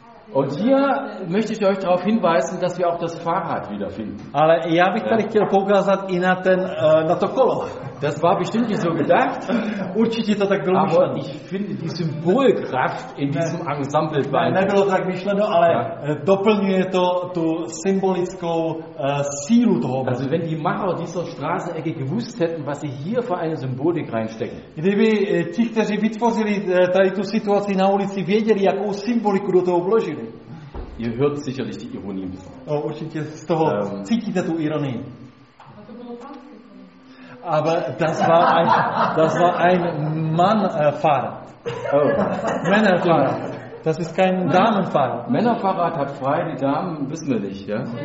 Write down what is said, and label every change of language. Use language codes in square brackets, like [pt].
[de] Und hier möchte ich euch darauf hinweisen, dass wir auch das Fahrrad wiederfinden. [cs] Ale já bych tady chtěl poukázat i na ten na to kolo. [de] Das war bestimmt nicht so gedacht. [cs] Určitě to tak bylo. [de] Aber ich finde die Symbolkraft in diesem Ensemble beeindruckend. [cs] Nebylo tak myšleno, ale doplňuje to tu symbolickou sílu toho. [de] Also wenn die Macher dieser Straßenecke gewusst hätten, was sie hier für eine Symbolik reinstecken. [cs] Kdyby ti, kteří vytvořili tady tu situaci na ulici, věděli, jakou symboliku do toho vložili. [de] Ihr hört sicherlich die Ironie. [cs] Určitě z toho cítíte tu ironii. [de] Aber das war ein Mannfahrrad. Männerfahrrad. Das ist kein Damenfahrrad. Männerfahrrad hat frei, die Damen wissen wir nicht, ja?